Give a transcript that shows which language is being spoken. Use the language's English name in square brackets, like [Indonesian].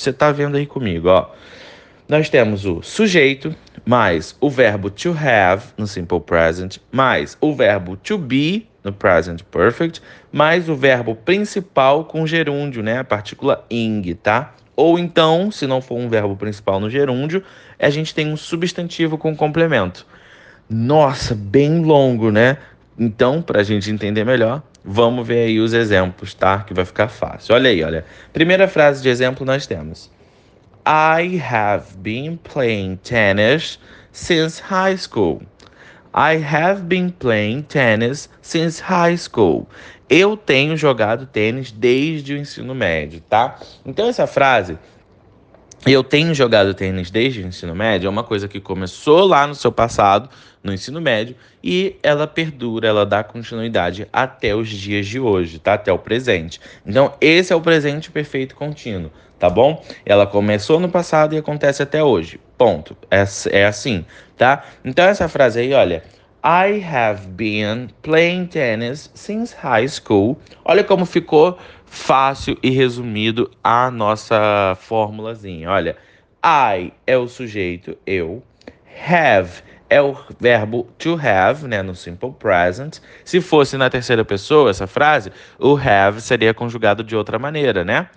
[Portuguese] Você está vendo aí comigo, ó. Nós temos o sujeito mais o verbo to have no Simple Present, mais o verbo to be no Present Perfect, mais o verbo principal com gerúndio, né? A partícula ing, tá? Ou então, se não for um verbo principal no gerúndio, a gente tem um substantivo com complemento. Nossa, bem longo, né? Então, para a gente entender melhor, vamos ver aí os exemplos, tá? Que vai ficar fácil. Olha aí, olha. Primeira frase de exemplo nós temos. [English] I have been playing tennis since high school. I have been playing tennis since high school. [Portuguese] Eu tenho jogado tênis desde o ensino médio, tá? Então essa frase, eu tenho jogado tênis desde o ensino médio, é uma coisa que começou lá no seu passado, no ensino médio, e ela perdura, ela dá continuidade até os dias de hoje, tá? Até o presente. Então esse é o presente perfeito contínuo, tá bom? Ela começou no passado e acontece até hoje. Ponto. É assim, tá? Então essa frase aí, olha. [English] I have been playing tennis since high school. [Portuguese] Olha como ficou fácil e resumido a nossa formulazinha. Olha, I é o sujeito, eu. Have é o verbo to have, né, no simple present. Se fosse na terceira pessoa essa frase, o have seria conjugado de outra maneira, né?